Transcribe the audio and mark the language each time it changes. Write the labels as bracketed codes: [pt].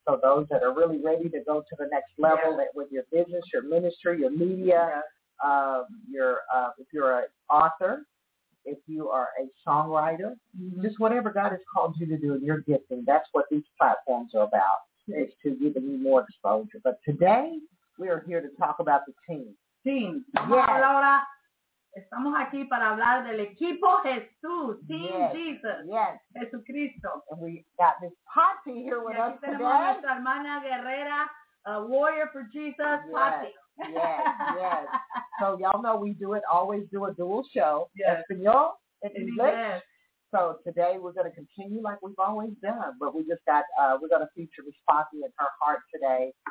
[en] So those that are really ready to go to the next level, that with your business, your ministry, your media, if you're an author, if you are a songwriter, just whatever God has called you to do in your gifting, that's what these platforms are about, is to give you more exposure. But today, we are here to talk about the team. Team. Yes. [es] Laura, estamos aquí para hablar del equipo Jesús. [en] Team Jesus. Yes. [es] Jesucristo. [en] And we got Miss Patsy here with us today. [es] Y aquí tenemos nuestra hermana guerrera, a warrior for Jesus, Patsy. [en] Yes, yes. So y'all know we do it, always do a dual show. Yes. Espanol and English. Yes. So today we're going to continue like we've always done, but we just got, we're going to feature Miss Poppy and her heart today.